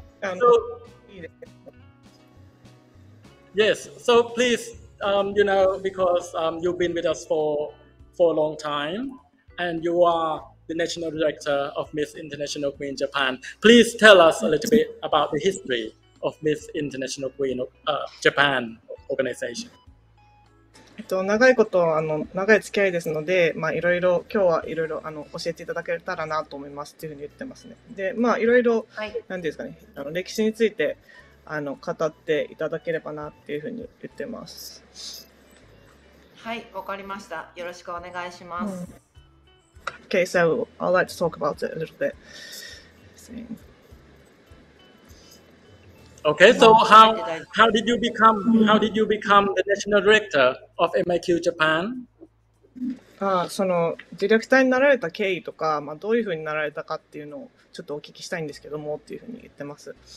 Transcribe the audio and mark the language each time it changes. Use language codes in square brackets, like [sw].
[en] So, yes, so please, you know, because you've been with us for a long time and you are the National Director of Miss International Queen Japan, please tell us a little bit about the history of Miss International Queen Japan organization. [ja] 長いこと長い付き合いですので、まあ、いろいろ今日はいろいろ教えていただけたらなと思いますというふうに言ってますね。で、まあ、いろいろ、はい、何ですかね、歴史について語っていただければなっていうふうに言ってます。はい、わかりました。よろしくお願いします。 [en] Okay, so I'd like to talk about it a little bit. Okay, so how did you become the national director of MIQ Japan? [ja] そのディレクターになられた経緯とか、まあ、どういうふうになられたかっていうのをちょっとお聞きしたいんですけどもっていうふうに言ってます。